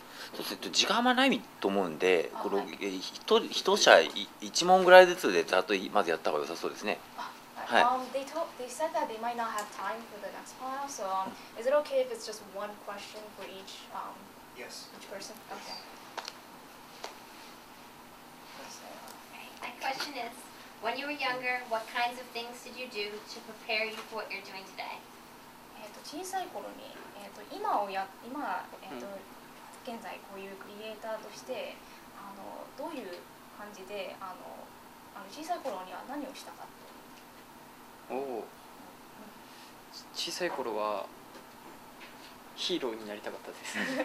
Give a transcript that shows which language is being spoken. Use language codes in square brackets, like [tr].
[ja] そうですね、時間はないと思うんで、この一社一問ぐらいずつでざっとまずやった方が良さそうですね。はい。 [en] They said that they might not have time for the next panel, so is it okay if it's just one question for each each person? Okay. My question is, when you were younger, what kinds of things did you do to prepare you for what you're doing today? [ja] 小さい頃に、今、現在こういうクリエイターとして、どういう感じで、小さい頃には何をしたかっておお、小さい頃はヒーローになりたかったです。